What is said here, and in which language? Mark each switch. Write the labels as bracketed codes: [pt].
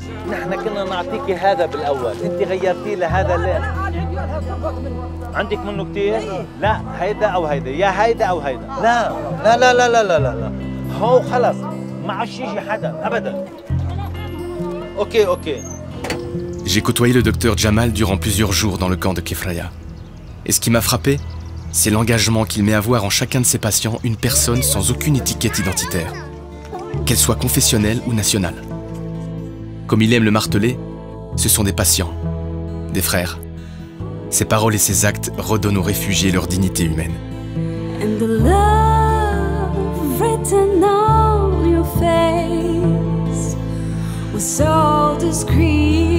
[ar] نحن كنا نعطيك هذا بالأول، أنت غيرتيه لهذا. اللي عندك منه كتير؟ لا، هيدا أو هيدا، يا هيدا أو هيدا. لا لا لا لا لا لا لا لا، هو خلص ما عشيش حدا أبدا. أوكي أوكي. [fr] J'ai côtoyé le docteur Jamal durant plusieurs jours dans le camp de Kefraya. Et ce qui m'a frappé, c'est l'engagement qu'il met à voir en chacun de ses patients une personne sans aucune étiquette identitaire, qu'elle soit confessionnelle ou nationale. Comme il aime le marteler, ce sont des patients, des frères. Ses paroles et ses actes redonnent aux réfugiés leur dignité humaine. [en] And the love written on your face was so discreet.